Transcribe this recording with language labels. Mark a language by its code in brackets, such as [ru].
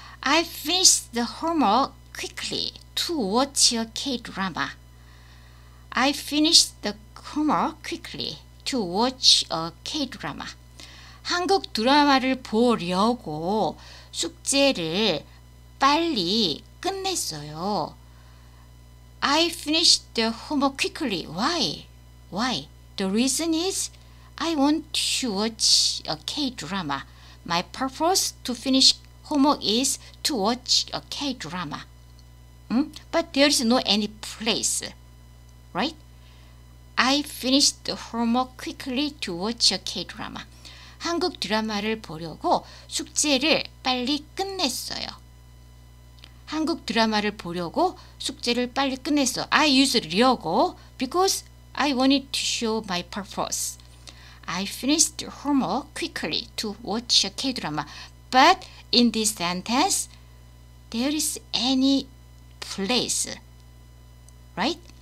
[en] I finished the homework quickly to watch a K-drama. I finished the homework quickly to watch a K-drama. [ko] 한국 드라마를 보려고 숙제를 빨리 끝냈어요. [en] I finished the homework quickly. Why? Why? The reason is I want to watch a K-drama. My purpose to finish homework is to watch a K-drama. But there is no any place, right? I finished the homework quickly to watch a K-drama. [ko] 한국 드라마를 보려고 숙제를 빨리 끝냈어요. 한국 드라마를 보려고 숙제를 빨리 끝냈어. [en] I used 려고 because I wanted to show my purpose. I finished homework quickly to watch a K-drama. But in this sentence, there is any place, right?